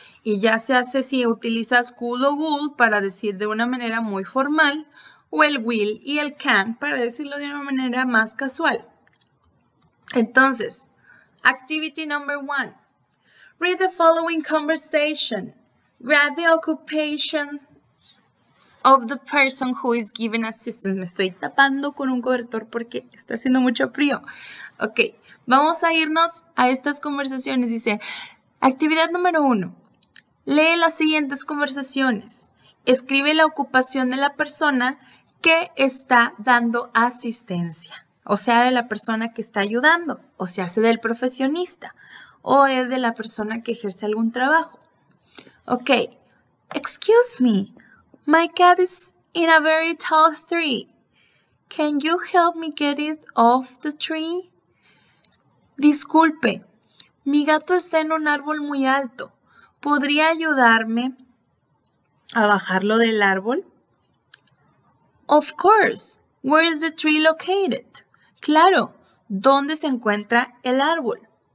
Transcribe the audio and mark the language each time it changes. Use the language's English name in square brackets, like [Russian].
[Spanish] Y ya se hace si utilizas cool o would para decir de una manera muy formal, o el will y el can para decirlo de una manera más casual. [English] Entonces, activity number one. Read the following conversation. Grab the occupation of the person who is given assistance. [Spanish] Me estoy tapando con un cobertor porque está haciendo mucho frío. Ok, vamos a irnos a estas conversaciones. Dice, actividad número uno. Lee las siguientes conversaciones. Escribe la ocupación de la persona que está dando asistencia. O sea, de la persona que está ayudando. O sea, sea del profesionista. O es de la persona que ejerce algún trabajo. [English] Ok. Excuse me. My cat is in a very tall tree. Can you help me get it off the tree? [Spanish] Disculpe, mi gato está en un árbol muy alto. ¿Podría ayudarme a bajarlo del árbol? Of course. Where is the tree located? Claro, ¿dónde se encuentra el árbol?